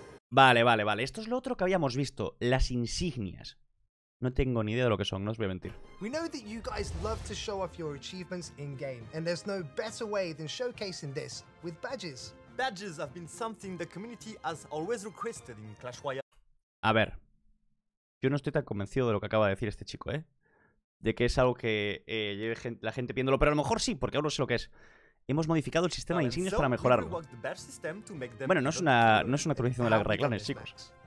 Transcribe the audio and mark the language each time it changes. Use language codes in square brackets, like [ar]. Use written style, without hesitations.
[es] Vale. Esto es lo otro que habíamos visto. Las insignias. No tengo ni idea de lo que son, no os voy a mentir. [en] We know that you guys love to show off your achievements in game, and there's no better way than showcasing this with badges. Badges have been something the community has always requested in Clash Royale. [es] A ver. Yo no estoy tan convencido de lo que acaba de decir este chico, ¿eh? De que es algo que lleve la gente pidiéndolo, pero a lo mejor sí, porque aún no sé lo que es. Hemos modificado el sistema de insignias para mejorarlo. Bueno, no es una actualización de la guerra de clanes, chicos.